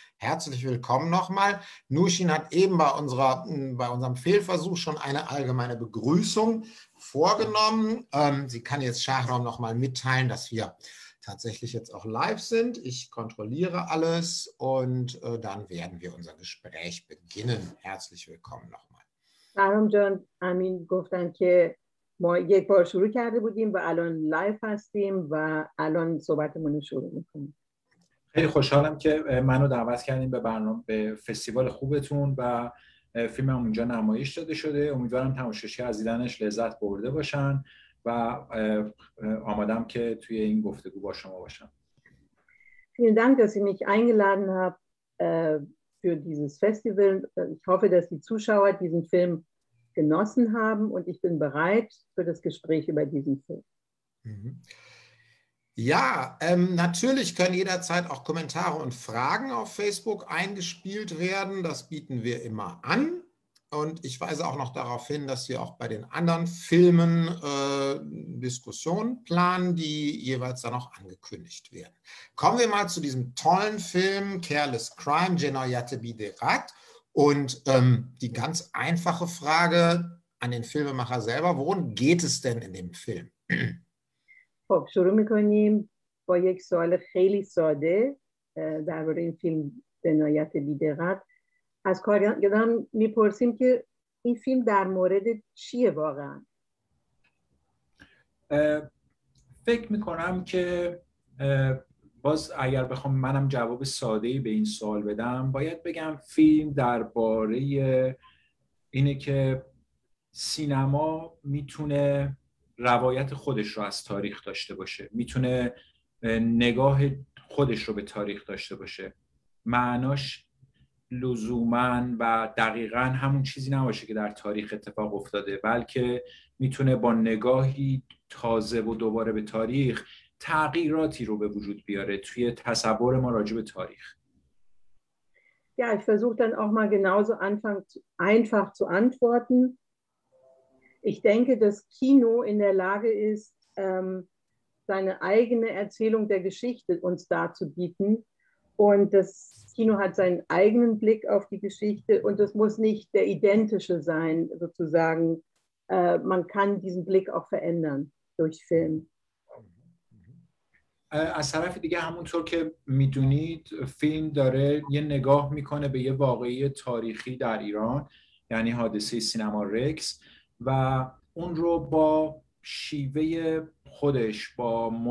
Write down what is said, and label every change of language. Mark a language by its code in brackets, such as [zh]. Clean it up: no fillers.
[de] Herzlich willkommen nochmal. Nushin hat eben bei unserem Fehlversuch schon eine allgemeine Begrüßung vorgenommen. Sie kann jetzt Shahram nochmal mitteilen, dass wir tatsächlich jetzt auch live sind. Ich kontrolliere alles und dann werden wir unser Gespräch beginnen. Herzlich willkommen nochmal. [fa] شهرام جان امین گفتن که ما یک بار شروع کرده بودیم و الان لایف هستیم و الان صحبتمون رو شروع میکنیم. خیلی خوشحالم که منو دعوت کردیم به برنامه به فستیوال خوبتون و فیلمم اونجا نمایش داده شده. امیدوارم تماشاگرها از دیدنش لذت برده باشن و آمادم که توی این گفتگو با شما باشم. [de] Vielen Dank, dass Sie mich eingeladen haben. Für dieses Festival. Ich hoffe, dass die Zuschauer diesen Film genossen haben und ich bin bereit für das Gespräch über diesen Film. Ja, natürlich können jederzeit auch Kommentare und Fragen auf Facebook eingespielt werden. Das bieten wir immer an. Und ich weise auch noch darauf hin, dass wir auch bei den anderen Filmen Diskussionen planen, die jeweils dann auch angekündigt werden. Kommen wir mal zu diesem tollen Film Careless Crime, Jinayatı Biderat. Und die ganz einfache Frage an den Filmemacher selber, worum geht es denn in dem Film? [fa] خب شروع می‌کنیم با یک سوال خیلی ساده درباره این فیلم جنایت بی‌دقت از کارگردان می‌پرسیم که این فیلم در مورد چیه واقعا؟ فکر می‌کنم که باز اگر بخوام منم جواب ساده‌ای به این سوال بدم باید بگم فیلم درباره اینه که سینما می‌تونه روایت خودش رو از تاریخ داشته باشه میتونه نگاه خودش رو به تاریخ داشته باشه معناش لزوماً و دقیقاً همون چیزی نباشه که در تاریخ اتفاق افتاده بلکه میتونه با نگاهی تازه و دوباره به تاریخ تغییراتی رو به وجود بیاره توی تصور ما راجع به تاریخ [de] Ja, ich versuche dann auch mal genauso einfach zu antworten. Ich denke, dass Kino in der Lage ist, seine eigene Erzählung der Geschichte uns darzubieten. Und das Kino hat seinen eigenen Blick auf die Geschichte und das muss nicht der identische sein, sozusagen. Man kann diesen Blick auch verändern durch Film. [fa] از طرف دیگه همونطور که میدونید فیلم داره یه نگاه میکنه به یه واقعه تاریخی در ایران یعنی حادثه سینما رکس و اون رو با شیوه خودش با